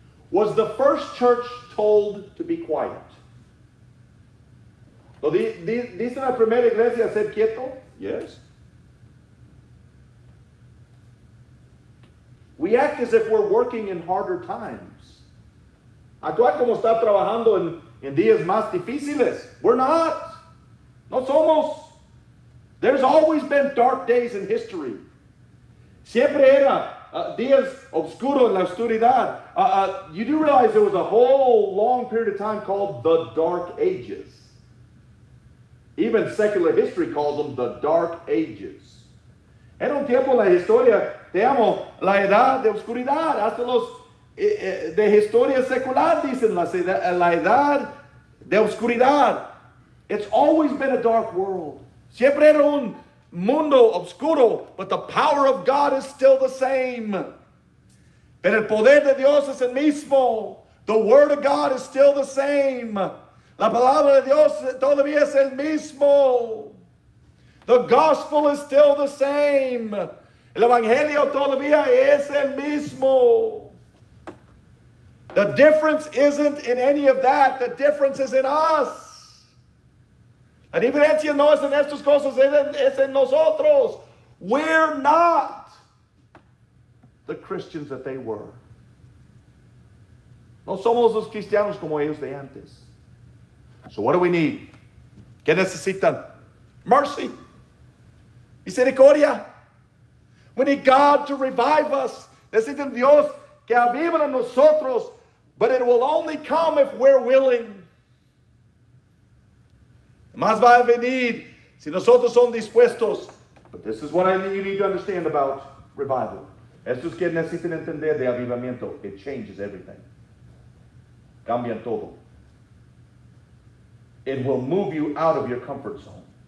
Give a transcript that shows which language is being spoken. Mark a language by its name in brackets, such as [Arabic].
[English] Was the first church told to be quiet? [Spanish] ¿Dice la primera iglesia ser quieto? [English] Yes. We act as if we're working in harder times. [Spanish] Actuar como está trabajando en días más difíciles. [English] We're not. [Spanish] No somos. [English] There's always been dark days in history. [Spanish] Siempre era días oscuros en la oscuridad. [English] You do realize there was a whole long period of time called the Dark Ages. Even secular history calls them the Dark Ages. [Spanish] Era un tiempo en la historia, te amo, la edad de oscuridad. Hasta los de historia secular dicen la edad de oscuridad. [English] It's always been a dark world. [Spanish] Siempre era un mundo oscuro, [English] but the power of God is still the same. [Spanish] Pero el poder de Dios es el mismo. [English] The word of God is still the same. [Spanish] La palabra de Dios todavía es el mismo. [English] The gospel is still the same. [Spanish] El evangelio todavía es el mismo. [English] The difference isn't in any of that. The difference is in us. [Spanish] La diferencia no es en estas cosas, es en nosotros. [English] We're not the Christians that they were. [Spanish] No somos los cristianos como ellos de antes. [English] So what do we need? [Spanish] ¿Qué necesitan? [English] Mercy. [Spanish] Misericordia. [English] We need God to revive us. [Spanish] Necesitan Dios que avivan a nosotros. [English] But it will only come if we're willing. [Spanish] Más va a venir si nosotros son dispuestos. [English] But this is what you need to understand about revival. [Spanish] Esto es que necesitan entender de avivamiento. [English] It changes everything. [Spanish] Cambian todo. [English] It will move you out of your comfort zone.